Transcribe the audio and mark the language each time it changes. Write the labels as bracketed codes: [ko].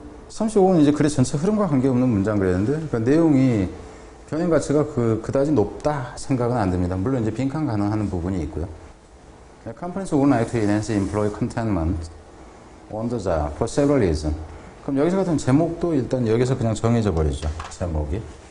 [ko] 35번 이제 글의 전체 흐름과 관계없는 문장 그랬는데 그 내용이 변인 가치가 그다지 높다 생각은 안 됩니다. 물론 이제 빈칸 가능한 부분이 있고요. [en] The conference would like to enhance employee contentment on the job for several reasons. [ko] 그럼 여기서 같은 제목도 일단 여기서 그냥 정해져 버리죠. 제목이.